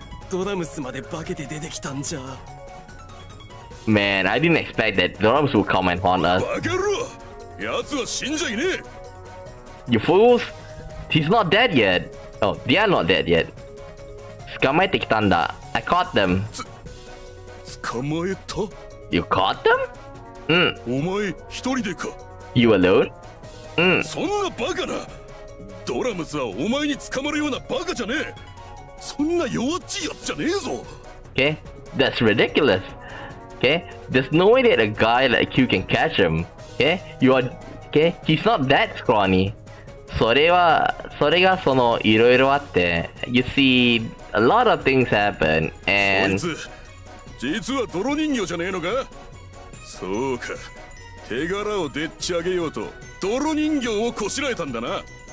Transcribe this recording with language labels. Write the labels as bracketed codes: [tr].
[ja] ドラムスまで化けて出てきたんじゃ。 [en] Man, I didn't expect that ドラムス would come and haunt us. [ja] バカ野郎。やつは死んじゃいねえ。 [en] You fools. He's not dead yet. Oh, they are not dead yet. [ja] 捕まえてきたんだ。 [en] I caught them. [ja] 捕まえた。 [en] You caught them? うん。 [ja] お前一人でか。 [en] You alone? うん、 [ja] そんなバカな。ドラムスはお前に捕まるようなバカじゃねえ。そんな弱っちいやつじゃねえぞ。 [en] Okay, that's ridiculous. Okay, there's no way that a guy like you can catch him. Okay, you are. Okay, he's not that scrawny. [ja] それがそのいろいろあって。 [en] You see, a lot of things happen. And [ja] そいつ実は泥人形じゃねえのか。そうか。手柄をでっち上げようと。泥人形をこしらえたんだな。